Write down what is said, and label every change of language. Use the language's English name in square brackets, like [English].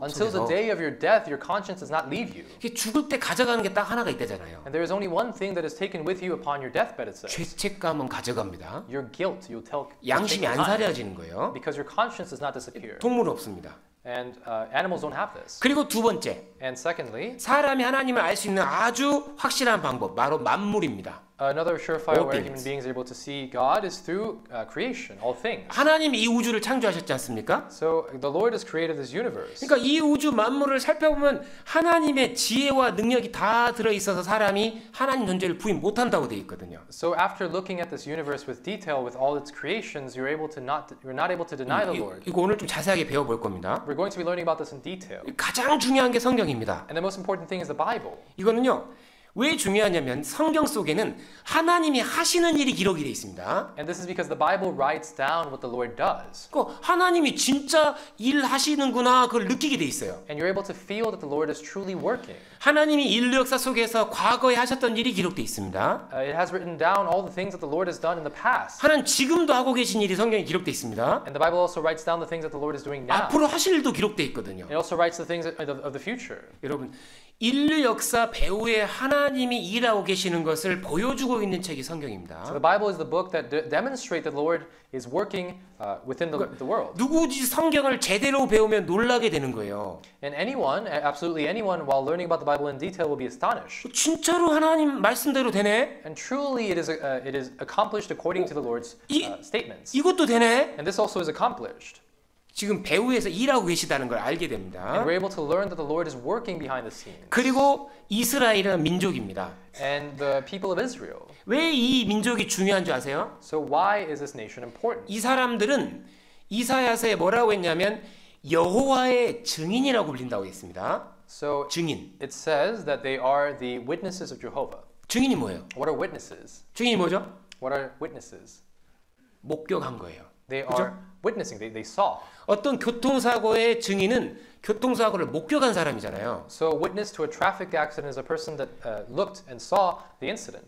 [English] Until the day of your death, your conscience does not leave you. [Korean] 이게 죽을 때 가져가는 게 딱 하나가 있다잖아요. [English] And there is only one thing that is taken with you upon your deathbed, it says. [Korean] 죄책감은 가져갑니다. [English] Your guilt, you'll take. [Korean] 양심이 안 사라지는 거예요. [English] Because your conscience does not disappear. [Korean] 동물 없습니다. [English] And animals don't have this. [Korean] 그리고 두 번째. [English] And secondly, [Korean] 사람이 하나님을 알 수 있는 아주 확실한 방법 바로 만물입니다. [English] Another surefire way human beings are able to see God is through creation, all things. [Korean] 하나님 이 우주를 창조하셨지 않습니까? [English] So the Lord has created this universe. [Korean] 그러니까 이 우주 만물을 살펴보면 하나님의 지혜와 능력이 다 들어 있어서 사람이 하나님 존재를 부인 못한다고 돼 있거든요. [English] So after looking at this universe with detail, with all its creations, you're not able to deny the Lord. [Korean] 이거 오늘 좀 자세하게 배워볼 겁니다. [English] We're going to be learning about this in detail. [Korean] 가장 중요한 게 성경입니다. [English] And the most important thing is the Bible. [Korean] 이거는요. 왜 중요하냐면 성경 속에는 하나님이 하시는 일이 기록이 돼 있습니다. [English] And this is because the Bible writes down what the Lord does. [Korean] 그 하나님이 진짜 일 하시는구나 그걸 느끼게 돼 있어요. [English] And you're able to feel that the Lord is truly working. [Korean] 하나님이 인류 역사 속에서 과거에 하셨던 일이 기록돼 있습니다. [English] It has written down all the things that the Lord has done in the past. [Korean] 하나님 지금도 하고 계신 일이 성경에 기록돼 있습니다. [English] And the Bible also writes down the things that the Lord is doing now. [Korean] 앞으로 하실 일도 기록돼 있거든요. [English] It also writes the things of the future. [Korean] 여러분 인류 역사 배후에 하나님이 일하고 계시는 것을 보여주고 있는 책이 성경입니다. [English] So the Bible is the book that demonstrates that the Lord is working within the world. [Korean] 누구든지 성경을 제대로 배우면 놀라게 되는 거예요. [English] And anyone, absolutely anyone, while learning about the Bible in detail, will be astonished. [Korean] 진짜로 하나님 말씀대로 되네? [English] And truly, it is accomplished according to the Lord's statements. [Korean] 이것도 되네? [English] And this also is accomplished. [Korean] 지금 배후에서 일하고 계시다는 걸 알게 됩니다. [English] And we're able to learn that the Lord is working behind the scenes. [Korean] 그리고 이스라엘은 민족입니다. [English] And the people of Israel. [Korean] 왜 이 민족이 중요한 줄 아세요? [English] So why is this nation important? [Korean] 이 사람들은 이사야서에 뭐라고 했냐면 여호와의 증인이라고 불린다고 했습니다. [English] So [Korean] 증인. [English] It says that they are the witnesses of Jehovah. [Korean] 증인이 뭐예요? [English] What are witnesses? [Korean] 증인이 뭐죠? [English] What are witnesses? [Korean] 목격한 거예요. [English] They are [Korean] 그렇죠? [English] witnessing. They saw. [Korean] 어떤 교통사고의 증인은 교통사고를 목격한 사람이잖아요. [English] So a witness to a traffic accident is a person that looked and saw the incident.